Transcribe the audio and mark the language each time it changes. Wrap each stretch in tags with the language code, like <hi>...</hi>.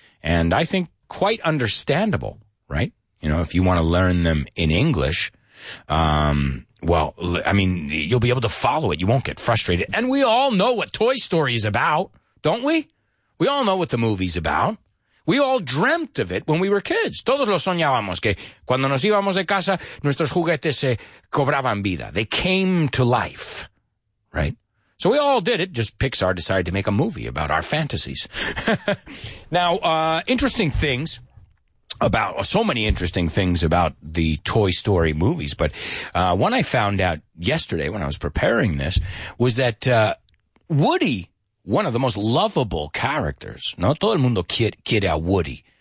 <en>And I think quite understandable, right? You know, if you want to learn them in English, well, I mean, you'll be able to follow it. You won't get frustrated. And we all know what Toy Story is about, don't we? We all know what the movie's about. We all dreamt of it when we were kids.</en> <es>Todos lo soñábamos que cuando nos íbamos de casa, nuestros juguetes se cobraban vida.</es> <en>They came to life, right? So we all did it, just Pixar decided to make a movie about our fantasies. Now, interesting things about, so many interesting things about the Toy Story movies, but one I found out yesterday when I was preparing this was that Woody, one of the most lovable characters,</en> <es>no todo el mundo quiere a Woody.</es>